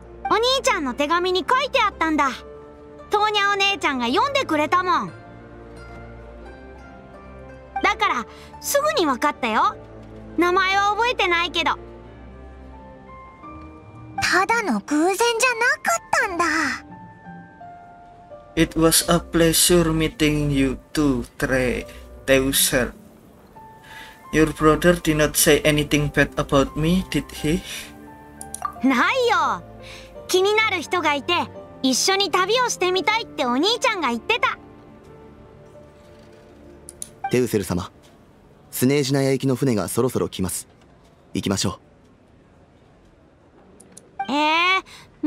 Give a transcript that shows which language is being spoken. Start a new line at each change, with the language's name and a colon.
Japanese: お兄ちゃんの手紙に書いてあったんだ。トーニャお姉ちゃんが読んでくれたもん。だからすぐに分かったよ。名前は覚えてないけど。ただの偶然じゃなかったんだ。
English: It was a pleasure meeting you too, Trey Teuser. Your brother did not say anything bad about me, did he?
Japanese: ないよ。気になる人がいて一緒に旅をしてみたいってお兄ちゃんが言ってた。テウセル様、スネージナヤ行きの船がそろそろ来ます。行きましょう。